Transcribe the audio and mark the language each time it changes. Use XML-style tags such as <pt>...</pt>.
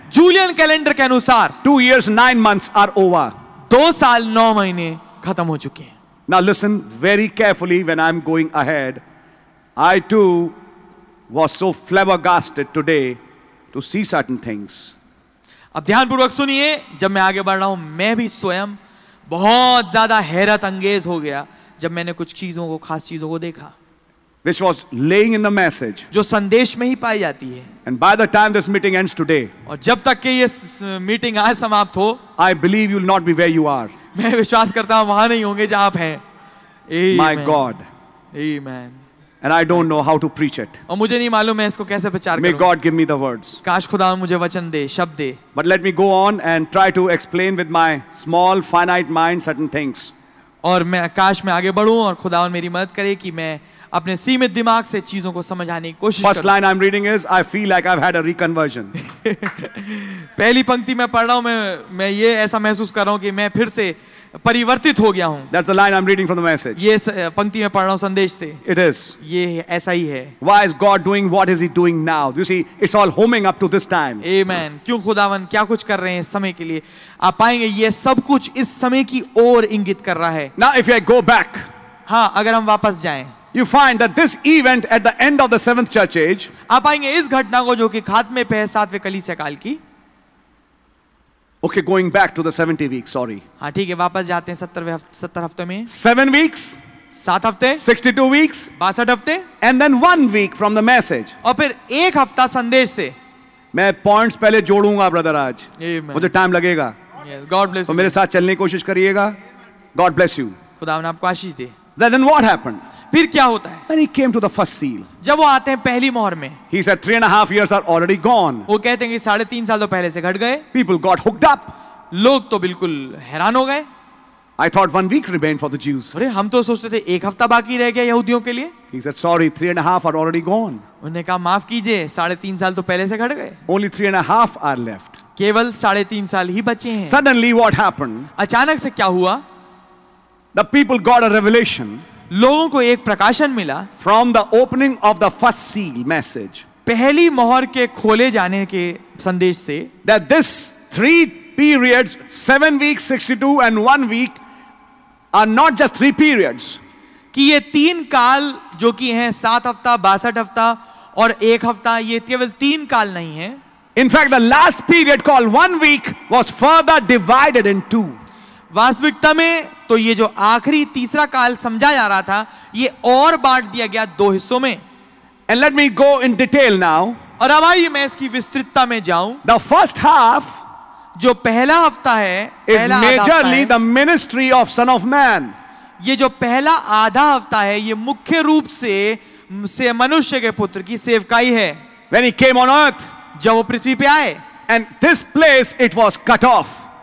<hi>Julian calendar के अनुसार,</hi> <en>2 years 9 months are over.</en> <hi>2 साल 9 महीने खत्म हो चुके हैं.</hi> <en>Now listen very carefully when I'm going ahead. I too was so flabbergasted today to see certain things.</en> <hi>अब ध्यानपूर्वक सुनिए, जब मैं आगे बढ़ रहा हूं, मैं भी स्वयं बहुत ज्यादा हैरत अंगेज हो गया जब मैंने कुछ चीजों को, खास चीजों को देखा.</hi> <en>Which was laying in the message.</en> <hi>जो संदेश में ही पाई जाती है.</hi> <en>And by the time this meeting ends today,</en> <hi>और जब तक कि ये मीटिंग आज समाप्त हो,</hi> <en>I believe you will not be where you are.</en> <hi>मैं विश्वास करता हूँ वहाँ नहीं होंगे जहाँ आप हैं.</hi> <en>My God. Amen. And I don't know how to preach it.</en> <hi>और मुझे नहीं मालूम मैं इसको कैसे प्रचार करूँ.</hi> <en>May God give me the words.</en> <hi>काश खुदा मुझे वचन दे, शब्द दे.</hi> <en>But let me go on and try to explain with my small, finite mind certain things.</en> <hi>और मैं काश मैं आगे बढ़ूं और खुदावन मेरी मदद करे कि मैं अपने सीमित दिमाग से चीजों को समझाने की कोशिश करूं.</hi> <en>First line I'm reading is, I feel like I've had a reconversion.</en> <hi>पहली पंक्ति मैं पढ़ रहा हूं, मैं ये ऐसा महसूस कर रहा हूं कि मैं फिर से परिवर्तित हो गया हूं.</hi> <en>That's the line I'm reading from the message.</en> <hi>ये पंक्ति मैं पढ़ रहा हूं संदेश से.</hi> <en>It is.</en> <hi>ये ऐसा ही है.</hi> <en>Why is God doing what is he doing now? You see, it's all homing up to this time. Amen.</en> <hi>क्यों खुदावन क्या कुछ कर रहे हैं समय के लिए? आप पाएंगे ये सब कुछ इस समय की ओर इंगित कर रहा है.</hi> <en>Now if I go back.</en> <hi>हाँ, अगर हम वापस जाएं.</hi> <en>You find that this event at the end of the seventh church age.</en> <hi>आप आएंगे इस घटना को जो कि खात्मे पे है सातवें कलीसिया काल की.</hi> <en>Okay, going back to the 70 weeks. Sorry.</en> <hi>हाँ ठीक है, वापस जाते हैं 70 हफ्ते में.</hi> <en>7 weeks.</en> <hi>7 हफ्ते.</hi> <en>62 weeks.</en> <hi>62 हफ्ते.</hi> <en>And then 1 week from the message.</en> <hi>और फिर एक हफ्ता संदेश से. मैं पॉइंट्स पहले जोड़ूंगा ब्रदर आज.</hi> <en>Amen.</en> <hi>मुझे टाइम लगेगा.</hi> <en>Yes, God bless you.</en> <hi>तो मेरे साथ चलने की कोशिश करिएगा.</hi> <en>God bless you.</en> <hi>खुदा ने आपको आशीष दे.</hi> <en>Then what happened?</en> <hi>फिर क्या होता है?</hi> <en>When he came to the first seal,</en> <hi>जब वो आते हैं पहली मोहर में,</hi> <en>he said 3.5 years are already gone.</en> <hi>वो कहते हैं कि 3.5 साल तो पहले से घट गए.</hi> <en>People got hooked up.</en> <hi>लोग तो बिल्कुल हैरान हो गए.</hi> <en>I thought 1 week remained for the Jews.</en> <hi>अरे हम तो सोचते थे एक हफ्ता बाकी रह गया यहूदियों के लिए.</hi> <en>He said sorry, 3.5 are already gone.</en> <hi>उन्हें कहा माफ कीजिए 3.5 साल तो पहले से घट गए.</hi> <en>Only 3.5 are left.</en> <hi>केवल 3.5 साल ही बचे हैं.</hi> <en>Suddenly what happened?</en> <hi>अचानक से क्या हुआ?</hi> <en>The people got a revelation.</en> <hi>लोगों को एक प्रकाशन मिला.</hi> <en>from the opening of the first seal message,</en> <hi>पहली मोहर के खोले जाने के संदेश से,</hi> <en>that this 3 periods 7 weeks 62 and 1 week are not just 3 periods,</en> <hi>कि ये 3 काल जो कि हैं 7 हफ्ता 62 हफ्ता और 1 हफ्ता, ये केवल 3 काल नहीं है.</hi> <en>In fact the last period called 1 week was further divided in two.</en> <hi>वास्तविकता में तो ये जो आखिरी तीसरा काल समझा जा रहा था, ये और बांट दिया गया 2 हिस्सों में.</hi> <en>And let me go in detail now.</en> <hi>और अब आइए मैं इसकी विस्तृतता में जाऊं.</hi> <en>The first half,</en> <hi>जो पहला हफ्ता है,</hi> <en>is majorly the ministry of Son of Man.</en> <hi>ये जो पहला आधा हफ्ता है, ये मुख्य रूप से मनुष्य के पुत्र की सेवकाई है.</hi> <en>When he came on earth,</en> <hi>जब वो पृथ्वी पे आए,</hi> <en>and this place it was cut off.</en>